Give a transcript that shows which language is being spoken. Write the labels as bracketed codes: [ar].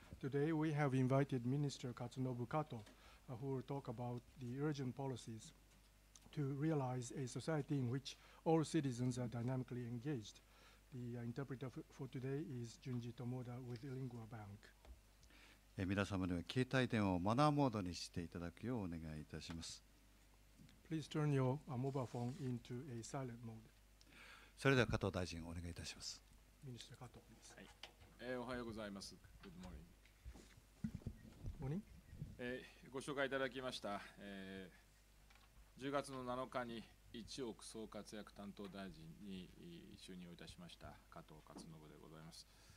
[en] Today we have invited Minister Katsunobu Kato, who will talk about the urgent policies to realize a society in which all citizens are dynamically engaged. The interpreter for today is Junji Tomoda with Lingua Bank. [ja] 皆様には携帯電話をマナーモードにしていただくようお願いいたします。 [en] Please turn your mobile phone into a silent mode. [ja] それでは加藤大臣お願いいたします。 [en] Minister Kato, please. [ja] はい。おはようございます。 [en] Good morning. Morning. [ja] ご紹介いただきました、10月の7日に一億総活躍担当大臣に就任をいたしました加藤勝信でございます。